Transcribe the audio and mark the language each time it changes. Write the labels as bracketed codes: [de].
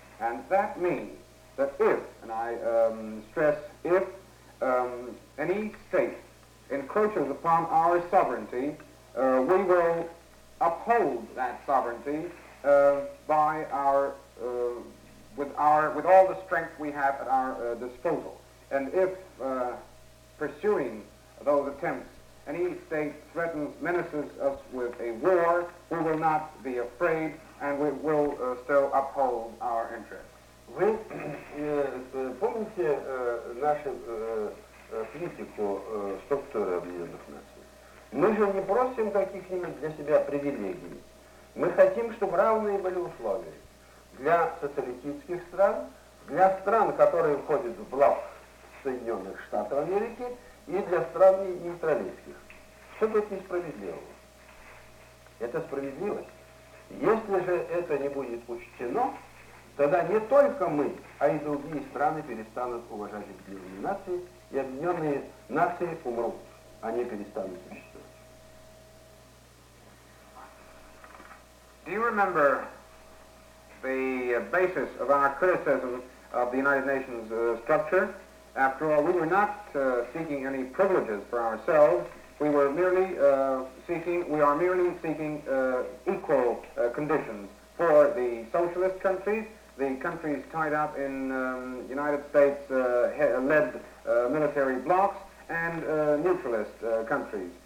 [en] And that means that if, and I stress if, any state encroaches upon our sovereignty, we will uphold that sovereignty by our with all the strength we have at our disposal. And if pursuing those attempts, any state threatens, menaces us with a war, we will not be afraid, and we will still uphold our interests. [ru] Вы помните нашу политику структуры объединенных наций? Мы же не просим каких-нибудь для себя привилегий. Мы хотим, чтобы равные были условия для социалистических стран, для стран, которые входят в блок Соединенных Штатов Америки, и для стран нейтралистских. Что тут несправедливо? Это справедливость. Если же это не будет учтено, тогда не только мы, а и другие страны перестанут уважать объединенные нации, и объединенные нации умрут, они перестанут существовать. [en] Do you remember the basis of our criticism of the United Nations structure? After all, we were not seeking any privileges for ourselves. We were merely seeking equal conditions for the socialist countries, the countries tied up in United States led military blocs, and neutralist countries.